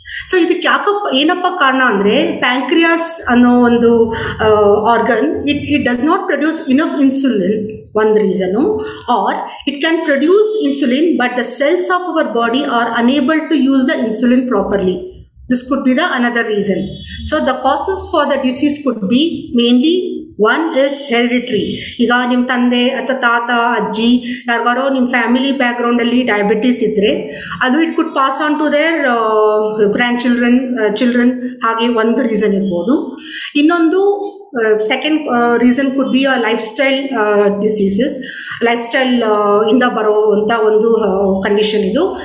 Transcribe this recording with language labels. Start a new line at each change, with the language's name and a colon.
Kannada: So ಇದಕ್ಕೆ ಯಾಕಪ್ಪ ಏನಪ್ಪ ಕಾರಣ ಅಂದರೆ ಪ್ಯಾಂಕ್ರಿಯಾಸ್ ಅನ್ನೋ ಒಂದು organ,
English: it does not produce enough insulin,
Kannada: ಒಂದು reason.
English: Or it can produce insulin but the cells of our body are unable to use the insulin properly. This could be the another reason. So the causes for the disease could be mainly, one is hereditary.
Kannada: ಈಗ ನಿಮ್ಮ ತಂದೆ ಅಥವಾ ತಾತ ಅಜ್ಜಿ ಯಾರಿಗಾರೋ ನಿಮ್ಮ family ಬ್ಯಾಕ್ಗ್ರೌಂಡಲ್ಲಿ diabetes ಇದ್ದರೆ ಅದು
English: it could pass on to their grandchildren children
Kannada: ಹಾಗೆ ಒಂದು ರೀಸನ್ ಇರ್ಬೋದು. ಇನ್ನೊಂದು second reason
English: could be a lifestyle diseases,
Kannada: life style ಇಂದ ಬರೋ ಅಂತ ಒಂದು ಕಂಡೀಷನ್ ಇದು.